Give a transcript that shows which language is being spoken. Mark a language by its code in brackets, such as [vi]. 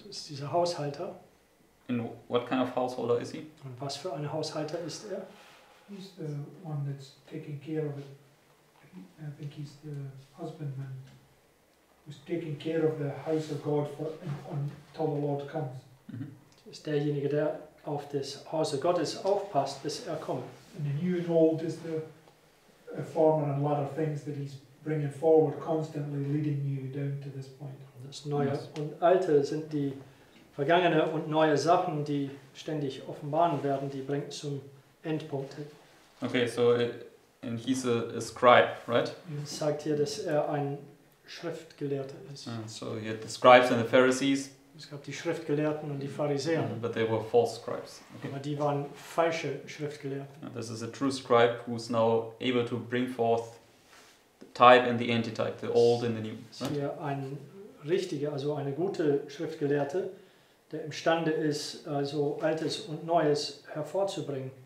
[de] Ist dieser Haushalter. [en] And what kind of householder is he? [de] Und was für ein Haushalter ist er? [en] He's the one that's taking care of it. I think he's the husbandman who's taking care of the house of God for until the Lord comes. Mm-hmm. [de] Ist derjenige, der auf das Haus Gottes aufpasst, bis er kommt. [en] And the new and old is the former and latter things that he's bringing forward, constantly leading you down to this point. [de] Das Neue und Alte sind die vergangene und neue Sachen, die ständig offenbaren werden, die bringt zum Endpunkt. [en] Okay, so and he's a scribe, right? [de] Es sagt hier, dass er ein Schriftgelehrter ist. [en] So he had the scribes and the Pharisees. [de] Es gab die Schriftgelehrten und die Pharisäer. [en] But they were false scribes. [de] Okay. Aber die waren falsche Schriftgelehrten. [en] Now this is a true scribe who is now able to bring forth the type and the antitype, the old and the new. [de] Es ist hier ein richtiger, also eine gute Schriftgelehrte, der imstande ist, also Altes und Neues hervorzubringen.